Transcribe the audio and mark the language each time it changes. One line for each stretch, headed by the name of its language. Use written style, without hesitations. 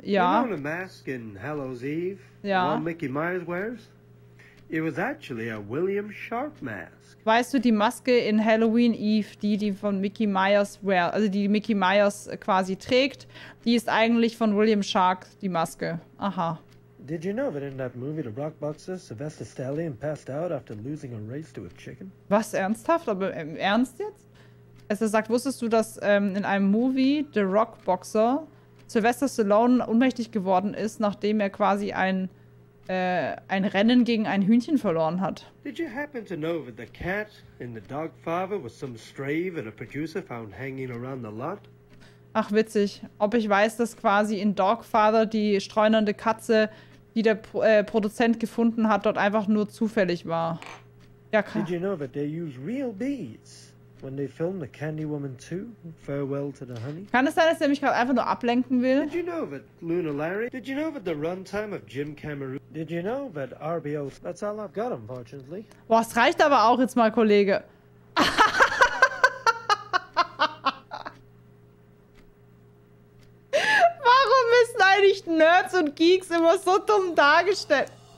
English: Ja. You know the mask in Hallow's Eve? Ja. The one Mickey Myers wears? It was actually a William Sharp mask.
German: Weißt du die Maske in Halloween Eve, die von Mickey Myers wear, also die Mickey Myers quasi trägt, die ist eigentlich von William Sharp die Maske. Aha.
English: Did you know that in that movie The Rockboxer, Sylvester Stallion passed out after losing a race to a chicken?
German: Was, ernsthaft? Aber im Ernst jetzt? Es sagt, wusstest du, dass in einem Movie The Rockboxer Sylvester Stallone ohnmächtig geworden ist, nachdem er quasi ein Rennen gegen ein Hühnchen verloren hat?
English: Did you happen to know that the cat in The Dogfather was some stray that a producer found hanging around the lot?
German: Ach witzig, ob ich weiß, dass quasi in Dogfather die streunende Katze, die der Produzent gefunden hat, dort einfach nur zufällig war. Ja, klar.
English: Did you know that they use real bees? When they filmed the Candy Woman 2, Farewell to the Honey.
German: Kann es sein, dass er mich gerade einfach nur ablenken will?
English: Did you know that Luna Larry? Did you know that the runtime of Jim Cameron? Did you know that RBO? That's all I've got, unfortunately.
German: Boah, es reicht aber auch jetzt mal, Kollege. Warum müssen eigentlich Nerds und Geeks immer so dumm dargestellt?